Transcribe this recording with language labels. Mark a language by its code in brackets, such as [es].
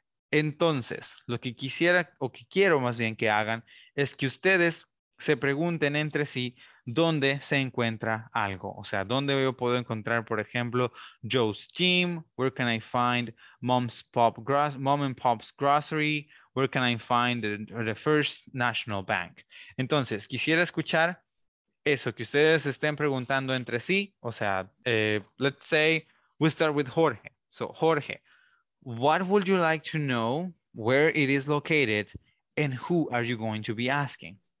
[es] Entonces, lo que quisiera o que quiero más bien que hagan es que ustedes se pregunten entre sí dónde se encuentra algo. O sea, dónde yo puedo encontrar, por ejemplo, Joe's Gym. [en] Where can I find Mom and Pop's Grocery? Where can I find the First National Bank? [es] Entonces, quisiera escuchar eso que ustedes estén preguntando entre sí. O sea, [en] let's say we start with Jorge. So, Jorge, what would you like to know where it is located and who are you going to be asking?